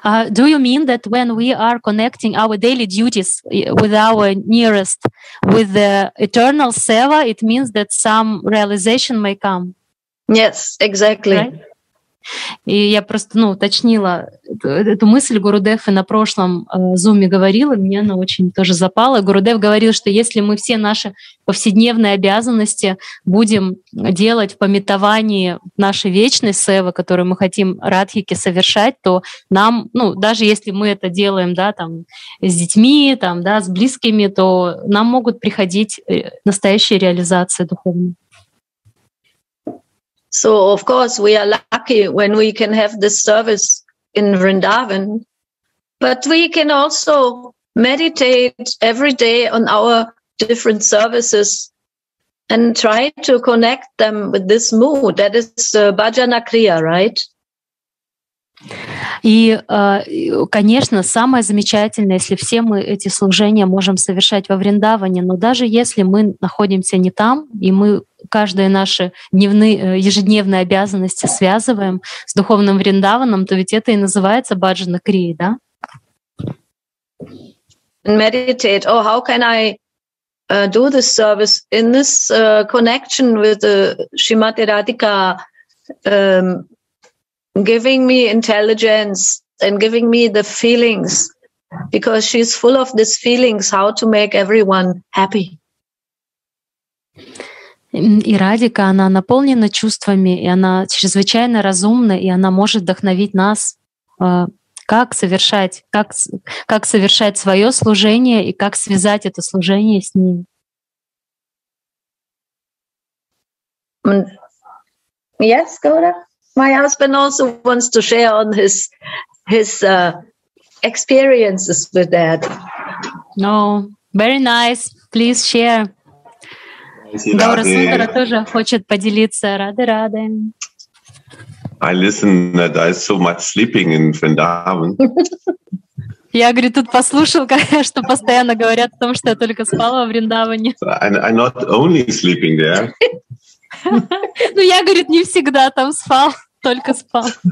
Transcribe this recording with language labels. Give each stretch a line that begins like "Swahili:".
English: Do you mean that when we are connecting our daily duties with our nearest, with the eternal seva, it means that some realization may come? Yes, exactly. Right?
Russian: И я просто, ну, уточнила эту мысль. Гурудев на прошлом зуме говорил, и мне она очень тоже запала. Гурудев говорил, что если мы все наши повседневные обязанности будем делать в памятовании нашей вечной севы, которую мы хотим Радхике совершать, то нам, ну, даже если мы это делаем, да, там, с детьми, там, да, с близкими, то нам могут приходить настоящие реализации духовные.
English: So, of course, we are lucky when we can have this service in Vrindavan, but we can also meditate every day on our different services and try to connect them with this mood. That is bhajana kriya, right?
Russian: И, конечно, самое замечательное, если все мы эти служения можем совершать во Вриндаване, но даже если мы находимся не там, и мы каждые наши дневные, ежедневные обязанности связываем с духовным Вриндаваном, то ведь это и называется баджана крия, да?
English: Meditate. Oh, how can I do this service in this connection with the Shrimati Radhika, giving me intelligence and giving me the feelings, because she's full of these feelings, how to make everyone happy.
Russian: И Радика, она наполнена чувствами, и она чрезвычайно разумна, и она может вдохновить нас, как совершать свое служение и как связать это служение с ней.
English: Yes, Gaura. My husband also wants to share on his experiences with that. No, very nice. Please share.
Russian: Гаурасундара тоже хочет поделиться. Рады.
English: I listen that there's so much sleeping in Vrindavan.
Russian: Я, говорит, тут послушал, что постоянно говорят о том, что я только спала во Вриндаване.
English: I'm not only sleeping there.
Russian: Ну, я, говорит, не всегда там спал, только спал.